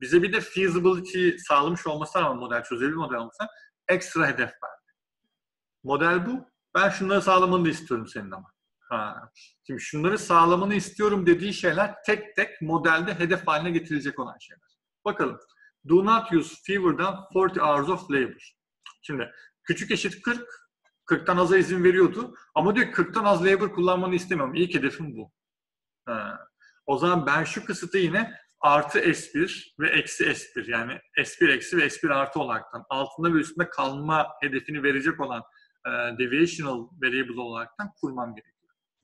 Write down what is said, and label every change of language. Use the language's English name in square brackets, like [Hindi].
[Turkish] Bize bir de feasibility sağlamış olması lazım model çözebilir model olmasa ekstra hedef var. Model bu. Ben şunları sağlamanı da istiyorum senin ama. Ha. Şimdi şunları sağlamanı istiyorum dediği şeyler tek tek modelde hedef haline getirilecek olan şeyler. Bakalım. [English] Do not use fewer than 40 hours of labor. [Turkish] Şimdi küçük eşit 40. 40'tan aza izin veriyordu. Ama diyor ki 40'tan az labor kullanmanı istemiyorum. İlk hedefim bu. Ha. O zaman ben şu kısıtı yine artı S1 ve eksi S1 yani S1 eksi ve S1 artı olaraktan altında ve üstünde kalma hedefini verecek olan deviational variable olaraktan kurmam gerekiyor.